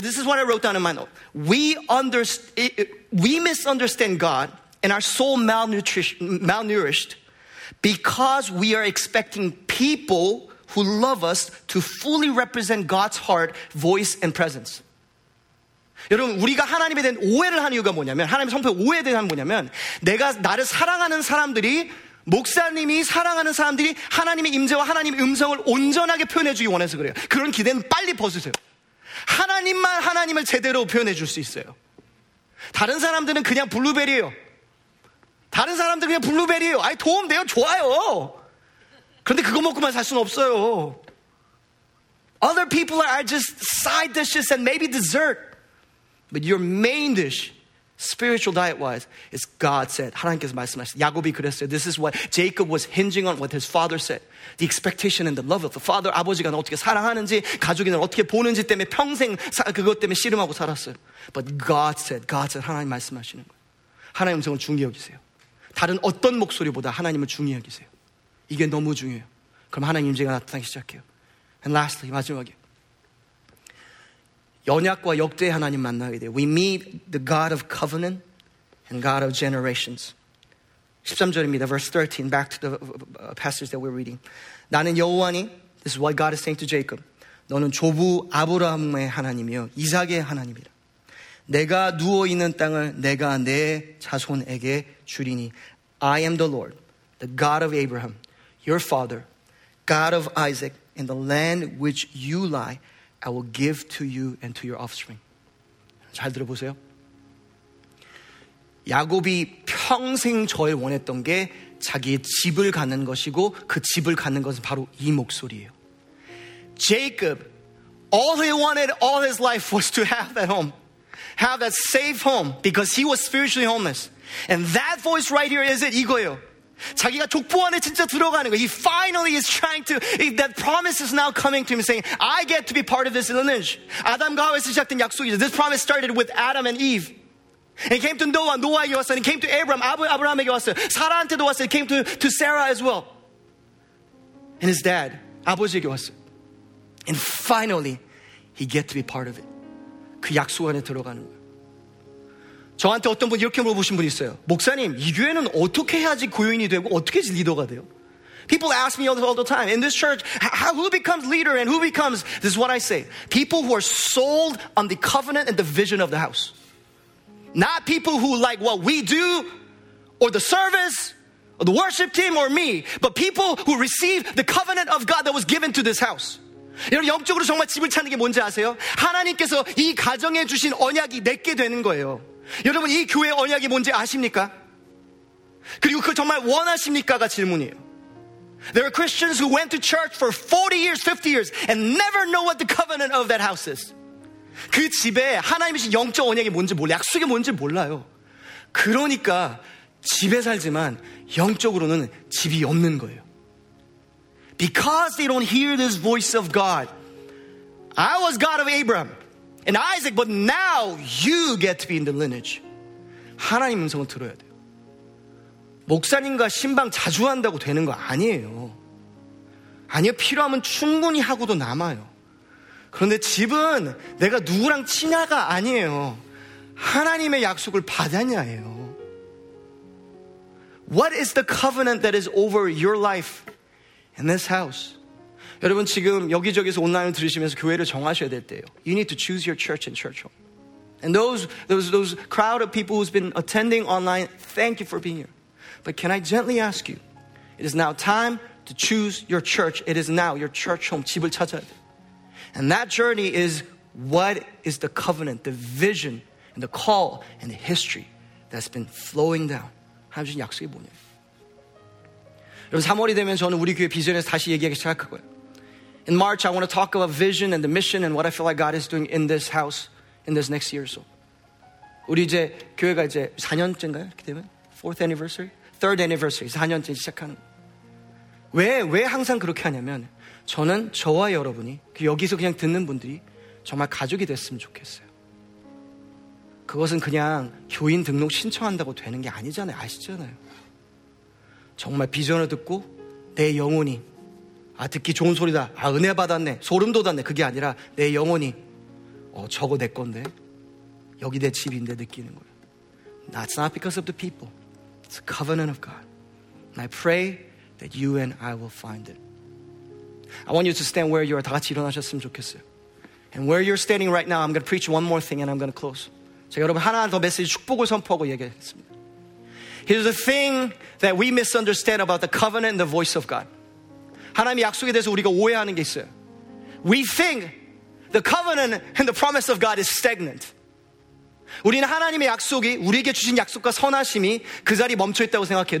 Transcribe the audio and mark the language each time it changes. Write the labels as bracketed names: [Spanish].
[English] This is what I wrote down in my note. We misunderstand God and are so malnourished because we are expecting people who love us to fully represent God's heart, voice, and presence. [Korean] 여러분 우리가 하나님에 대한 오해를 한 이유가 뭐냐면 하나님의 성품에 오해에 대한 뭐냐면 내가 나를 사랑하는 사람들이 목사님이 사랑하는 사람들이 하나님의 임재와 하나님의 음성을 온전하게 표현해 주기 원해서 그래요. 그런 기대는 빨리 벗으세요. 하나님만 하나님을 제대로 표현해 줄 수 있어요. 다른 사람들은 그냥 블루베리예요. 다른 사람들은 그냥 블루베리예요. 아이 도움 돼요? 좋아요. 그런데 그거 먹고만 살 수는 없어요. [English] Other people are just side dishes and maybe dessert. But your main dish, spiritual diet wise, is God said. [Korean] 하나님께서 말씀하셨어요. 야곱이 그랬어요. [English] This is what Jacob was hinging on, what his father said. The expectation and the love of the father. [Korean] 아버지가 어떻게 사랑하는지, 가족이 어떻게 보는지 때문에 평생 그것 때문에 씨름하고 살았어요. [English] But God said, God said, [Korean] 하나님 말씀하시는 거예요. 하나님 음성을 중요히 여기세요. 다른 어떤 목소리보다 하나님을 중요히 여기세요. 이게 너무 중요해요. 그럼 하나님 임재가 나타나기 시작해요. [English] And lastly, [Korean] 마지막에. 언약과 역대의 하나님 만나게 돼요. [English] We meet the God of covenant and God of generations. [Korean] 13절입니다. [English] Verse 13, back to the passage that we're reading. [Korean] 나는 여호와니, [English] this is what God is saying to Jacob. [Korean] 너는 조부 아브라함의 하나님이요, 이삭의 하나님이라. 내가 누워있는 땅을 내가 내 자손에게 주리니. I am the Lord, the God of Abraham, your father, God of Isaac, in the land which you lie, I will give to you and to your offspring. 잘 들어보세요. 야곱이 평생 저에 원했던 게 자기의 집을 갖는 것이고 그 집을 갖는 것은 바로 이 목소리예요. [English] Jacob, all he wanted all his life was to have that home. Have that safe home because he was spiritually homeless. And that voice right here is it, [Korean] 이거예요. 자기가 족보 안에 진짜 들어가는 거예요. [English] He finally is trying to, that promise is now coming to him saying, I get to be part of this lineage. [Korean] 아담과 하와에 시작된 약속이죠. [English] This promise started with Adam and Eve. And it came to Noah, [Korean] Noah에게 왔어요. [English] And it came to Abraham, [Korean] 아브라함에게 왔어요. 사라한테도 왔어요. [English] It came to Sarah as well. And his dad, [Korean] 아버지에게 왔어요. [English] And finally, he get to be part of it. [Korean] 그 약속 안에 들어가는 거예요. 저한테 어떤 분 이렇게 물어보신 분이 있어요. 목사님, 이 교회는 어떻게 해야지 고용인이 되고 어떻게 해야지 리더가 돼요? [English] People ask me all the time, in this church, how, who becomes leader and who becomes, this is what I say. People who are sold on the covenant and the vision of the house. Not people who like what we do, or the service, or the worship team, or me. But people who receive the covenant of God that was given to this house. [Korean] 여러분, 영적으로 정말 집을 찾는 게 뭔지 아세요? 하나님께서 이 가정에 주신 언약이 내게 되는 거예요. 여러분, 이 교회의 언약이 뭔지 아십니까? 그리고 그 정말 원하십니까가 질문이에요. [English] There are Christians who went to church for 40 years, 50 years and never know what the covenant of that house is. [Korean] 그 집에 하나님이신 영적 언약이 뭔지 몰라요. 약속이 뭔지 몰라요. 그러니까 집에 살지만 영적으로는 집이 없는 거예요. [English] Because they don't hear this voice of God. I was God of Abraham and Isaac, but now you get to be in the lineage. [Korean] 하나님 음성을 들어야 돼요. 목사님과 신방 자주 한다고 되는 거 아니에요. 아니요, 필요하면 충분히 하고도 남아요. 그런데 집은 내가 누구랑 친하가 아니에요. 하나님의 약속을 받았냐예요. [English] What is the covenant that is over your life in this house? [Korean] 여러분, 지금 여기저기서 온라인을 들으시면서 교회를 정하셔야 될 때예요. [English] You need to choose your church and church home. And those crowd of people who's been attending online, thank you for being here. But can I gently ask you, it is now time to choose your church. It is now your church home, [Korean] 집을 찾아야 돼. [English] And that journey is what is the covenant, the vision, and the call, and the history that's been flowing down. [Korean] 하나님 주신 약속이 뭐냐. 여러분, 3월이 되면 저는 우리 교회 비전에서 다시 얘기하기 시작할 거예요. [English] In March, I want to talk about vision and the mission and what I feel like God is doing in this house in this next year or so. [Korean] 우리 이제 교회가 이제 4년째인가요? 이렇게 되면? [English] Fourth anniversary? Third anniversary. [Korean] 4년째 시작하는. 왜 항상 그렇게 하냐면 저는 저와 여러분이 여기서 그냥 듣는 분들이 정말 가족이 됐으면 좋겠어요. 그것은 그냥 교인 등록 신청한다고 되는 게 아니잖아요. 아시잖아요. 정말 비전을 듣고 내 영혼이 아 듣기 좋은 소리다. 아 은혜 받았네. 소름 돋았네. 그게 아니라 내 영혼이 저거 내 건데 여기 내 집인데 느끼는 거예요. [English] That's not because of the people. It's a covenant of God. And I pray that you and I will find it. I want you to stand where you are. [Korean] 다 같이 일어나셨으면 좋겠어요. [English] And where you're standing right now, I'm going to preach one more thing and I'm going to close. [Korean] 제가 여러분 하나 더 메시지 축복을 선포하고 얘기하겠습니다. [English] Here's the thing that we misunderstand about the covenant and the voice of God. [Korean] 하나님의 약속에 대해서 우리가 오해하는 게 있어요. [English] We think the covenant and the promise of God is stagnant. [Korean] 우리는 하나님의 약속이 우리에게 주신 약속과 선하심이 그 자리에 멈춰 있다고 생각해요.